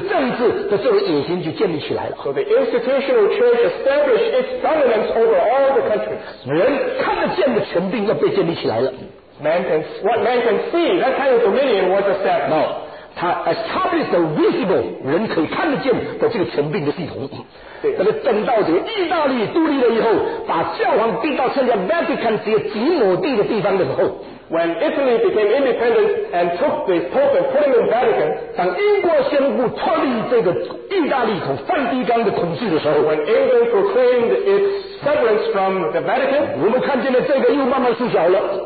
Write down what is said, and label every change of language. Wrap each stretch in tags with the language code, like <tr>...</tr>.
<zh>所以有形的教会就站在所有国家的上面来操纵所有的政治的这个野心就建立起来了。</zh> <en>So the institutional church established its dominance over all the countries.</en> <zh>看得见的权柄要被建立起来了。Man</zh> <en>can what man can see, that kind of dominion was established. No,</en> <zh>他</zh> <en>established the visible,</en> <zh>人可以看得见的这个权柄的系统。但是等到这个意大利独立了以后，把教皇定到现在 Vatican 这个几亩地的地方的时候。</zh> <en>When Italy became independent and took the Pope and put him in Vatican,</en> <zh>当英国宣布脱离这个意大利从梵蒂冈的统治的时候,</zh> <en>when England proclaimed its severance from the Vatican,</en> <zh>我们看见了这个又慢慢缩小了,</zh>